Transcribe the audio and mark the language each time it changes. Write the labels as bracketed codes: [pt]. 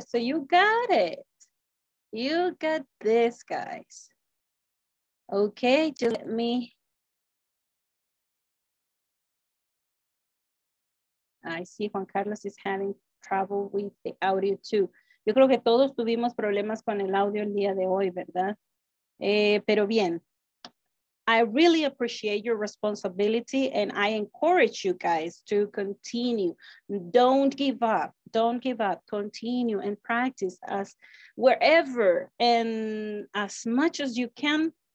[en] So you got it. You got this, guys. Okay, just let me. I see Juan Carlos is having trouble with the audio too. [es] Yo creo que todos tuvimos problemas con el audio el día de hoy, ¿verdad? Pero bien. [en] I really appreciate your responsibility and I encourage you guys to continue. Don't give up. Don't give up. Continue and practice as wherever and as much as you can.